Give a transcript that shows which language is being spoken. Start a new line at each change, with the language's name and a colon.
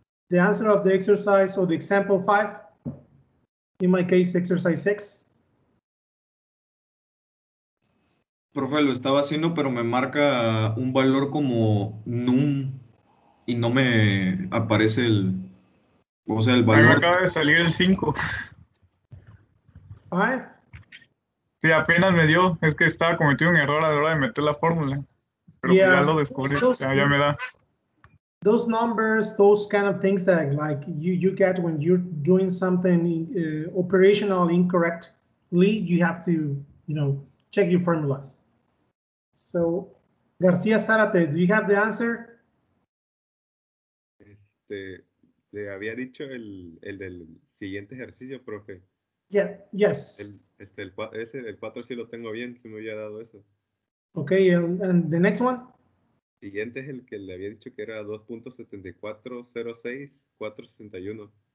English: The answer of the exercise or the example 5. In my case, exercise 6.
Spanish: Profe, lo estaba haciendo, pero me marca un valor como num y no me aparece el, o sea, el valor. Me acaba de salir el 5. 5. Sí, apenas me dio. Es que estaba cometiendo un error a la hora de meter la fórmula. Pero yeah, ya lo descubrí. Ya me da.
English: Those numbers, those kind of things that like you get when you're doing something operational incorrectly, you have to, you know, check your formulas. So, García Zárate, do you have the answer?
Spanish: Este, le había dicho el del siguiente ejercicio, profe.
English: Yeah, yes.
Spanish: El 4 sí lo tengo bien, se me había dado eso.
English: Okay, and the next one?
Spanish: Siguiente es el que le había dicho que era 2.7406461.